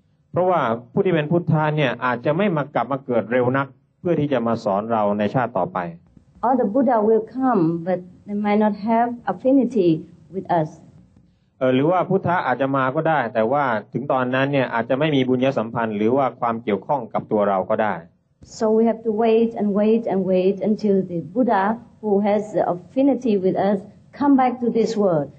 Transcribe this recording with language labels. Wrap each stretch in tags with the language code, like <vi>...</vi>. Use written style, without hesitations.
<th>เพราะว่าผู้ที่เป็นพุทธะเนี่ยอาจจะไม่มากลับมาเกิดเร็วนักเพื่อที่จะมาสอนเราในชาติต่อไป</th> <en>All the Buddha will come but they might not have affinity with us</en> <th>หรือว่าพุทธะอาจจะมาก็ได้แต่ว่าถึงตอนนั้นเนี่ยอาจจะไม่มีบุญญสัมพันธ์หรือว่าความเกี่ยวข้องกับตัวเราก็ได้</th> <en>So we have to wait and wait and wait until the Buddha who has the affinity with us come back to this world.</en>